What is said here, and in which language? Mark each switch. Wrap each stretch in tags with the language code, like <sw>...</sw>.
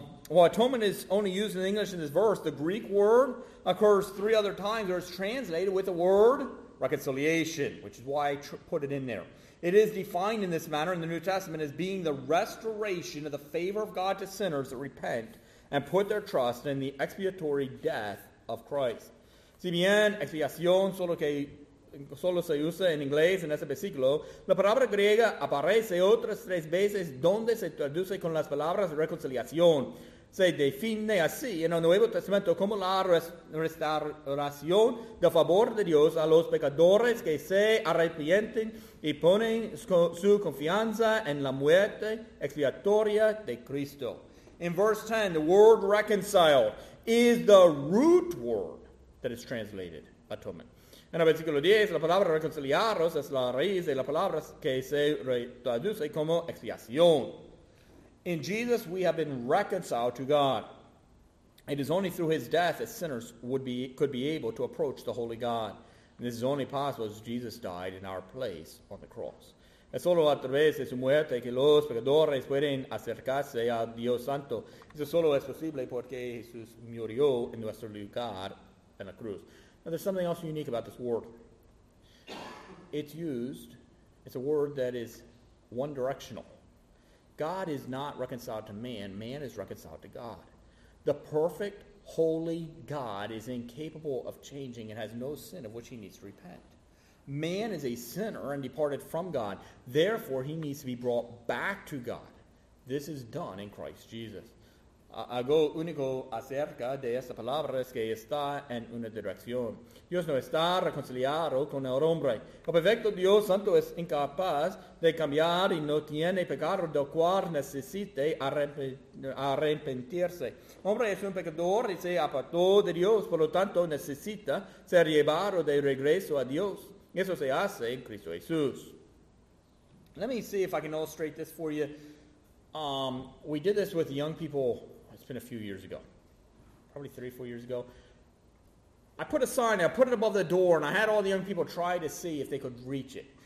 <en>Atonement is only used in English in this verse. The Greek word occurs three other times, or is translated with the word reconciliation, which is why I put it in there. It is defined in this manner in the New Testament as being the restoration of the favor of God to sinners that repent and put their trust in the expiatory death of Christ.</en> <es>Si bien expiación solo se usa en inglés en ese versículo, la palabra griega aparece otras tres veces donde se traduce con las palabras reconciliación. Se define así en el Nuevo Testamento como la restauración del favor de Dios a los pecadores que se arrepienten y ponen su confianza en la muerte expiatoria de Cristo.</es> <en>In verse 10, the word reconciled is the root word that is translated atonement.</en> <es>En el versículo 10, la palabra reconciliaros es la raíz de la palabra que se traduce como expiación.</es> <en>In Jesus, we have been reconciled to God. It is only through his death that sinners could be able to approach the holy God. And this is only possible as Jesus died in our place on the cross.</en> <es>Es solo a través de su muerte que los pecadores pueden acercarse a Dios Santo. Eso solo es posible porque Jesús murió en nuestro lugar en la cruz.</es> <en>Now, there's something else unique about this word. It's used, it's a word that is one directional. God is not reconciled to man. Man is reconciled to God. The perfect, holy God is incapable of changing and has no sin of which he needs to repent. Man is a sinner and departed from God. Therefore, he needs to be brought back to God. This is done in Christ Jesus.</en> <es>Algo único acerca de esta palabra es que está en una dirección. Dios no está reconciliado con el hombre. El perfecto Dios Santo es incapaz de cambiar y no tiene pecado del cual necesite arrepentirse. El hombre es un pecador y se apartó de Dios, por lo tanto necesita ser llevado de regreso a Dios. Eso se hace en Cristo Jesús.</es> <en>Let me see if I can illustrate this for you. We did this with young people, it's been a few years ago, probably 3-4 years ago. I put a sign, I put it above the door, and I had all the young people try to see if they could reach it.</en>